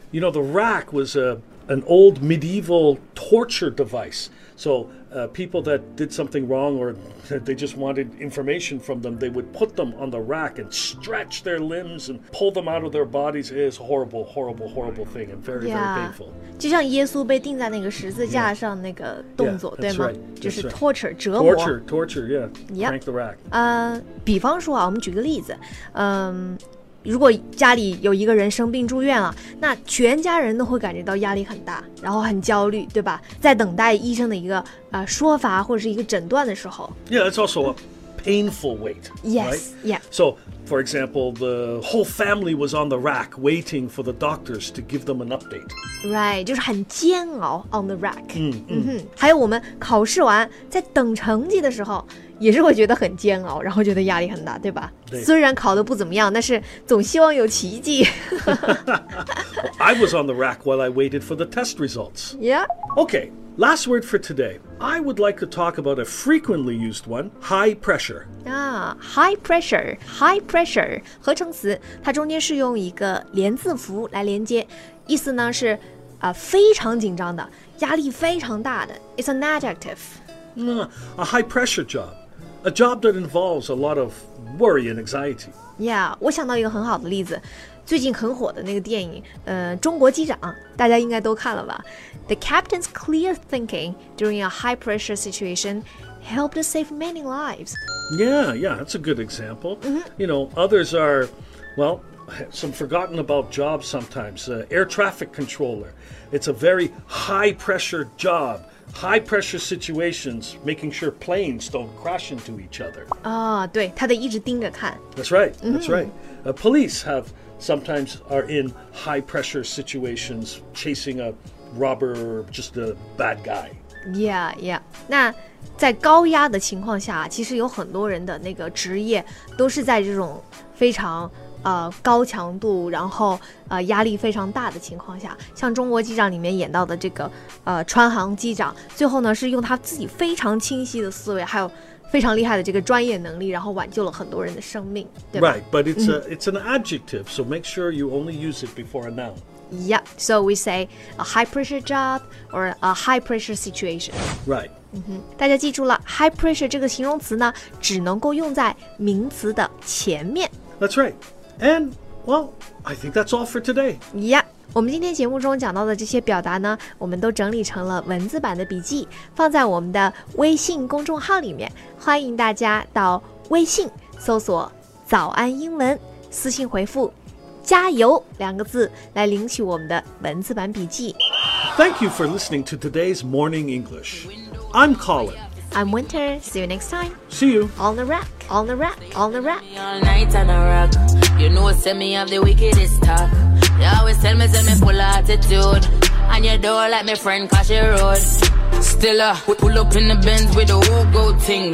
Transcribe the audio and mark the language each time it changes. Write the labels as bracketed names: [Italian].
[English] You know, the rack was an old medieval torture device. So people that did something wrong or they just wanted information from them, they would put them on the rack and stretch their limbs and pull them out of their bodies. It is a horrible, horrible, horrible thing and very, yeah, very painful. [Chinese] 就像耶稣被钉在那个十字架上那个动作 [English] yeah, that's [Chinese] 对吗 [English] right, that's [Chinese] 就是 torture、 [English] right. [Chinese] 折磨 [English] torture, torture, yeah, yep. crank the rack. [Chinese] 比方说啊我们举个例子如果家里有一个人生病住院了那全家人都会感觉到压力很大然后很焦虑对吧在等待医生的一个说法或者是一个诊断的时候 [English] Yeah, it's also a painful wait Yes,、 right? yeah So, for example, the whole family was on the rack waiting for the doctors to give them an update Right, [Chinese] 就是很煎熬 [English] on the rack 嗯、mm-hmm. 嗯 [Chinese] 还有我们考试完在等成绩的时候也是会觉得很煎熬然后觉得压力很大对吧对虽然考得不怎么样但是总希望有奇迹 [English] I was on the rack while I waited for the test results Yeah Okay, last word for today I would like to talk about a frequently used one High pressure High pressure High pressure [Chinese] 合成词它中间是用一个连字符来连接意思呢是、非常紧张的压力非常大的 [English] It's an adjective A high pressure job. A job that involves a lot of worry and anxiety. [Chinese] Yeah, 我想到一个很好的例子。最近很火的那个电影中国机长大家应该都看了吧。 [English] The captain's clear thinking during a high pressure situation helped save many lives. Yeah, yeah, that's a good example.、 Mm-hmm. You know, others are, well, some forgotten about jobs sometimes. Air traffic controller. It's a very high pressure job. High pressure situations, making sure planes don't crash into each other. [Chinese] Oh, 对，他得一直盯着看。 [English] That's right, that's right.、Mm-hmm. Police have sometimes are in high pressure situations, chasing a robber or just a bad guy. Yeah, yeah. [Chinese] 那在高压的情况下，其实有很多人的那个职业都是在这种非常高强度然后压力非常大的情况下像中国机长里面演到的这个川航机长最后呢是用他自己非常清晰的思维还有非常厉害的这个专业能力然后挽救了很多人的生命对吧 [English] Right, but it's an adjective, so make sure you only use it before a noun. Yep, so we say a high pressure job or a high pressure situation. Right. [Chinese] 大家记住了 high pressure 这个形容词呢只能够用在名词的前面。 [English] That's right. And, well, I think that's all for today. [Chinese] Yeah, 我们今天节目中讲到的这些表达呢我们都整理成了文字版的笔记放在我们的微信公众号里面欢迎大家到微信搜索早安英文私信回复加油两个字来领取我们的文字版笔记 [English] Thank you for listening to today's Morning English. I'm Colin. I'm Winter. See you next time. See you. On the rack, on the rack, on the rack. All night on the rack. You know what send me up the wickedest talk. You always tell me full attitude. And you don't like me friend cause she rude. Still, we pull up in the Benz with the whole gold thing.